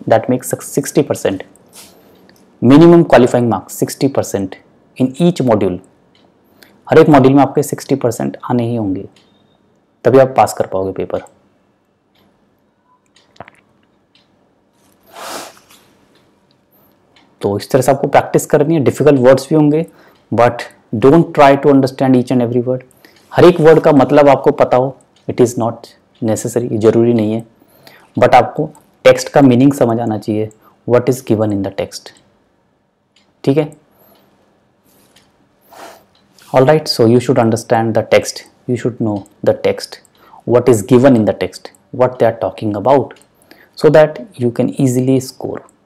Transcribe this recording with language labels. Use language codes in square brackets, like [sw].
[en] That makes 60% minimum qualifying marks, 60% in each module. [hi] हर एक module में आपके 60% आने ही होंगे, तभी आप pass कर पाओगे paper. तो इस तरह से आपको practice करनी है. [en] Difficult words [hi] भी होंगे, [en] but don't try to understand each and every word. [hi] हर एक वर्ड का मतलब आपको पता हो, [en] it is not necessary, [hi] जरूरी नहीं है. बट आपको टेक्स्ट का मीनिंग समझ आना चाहिए, [en] What is given in the text. [hi] ठीक है, alright. [en] So you should understand the text, you should know the text, what is given in the text, what they are talking about, so that you can easily score.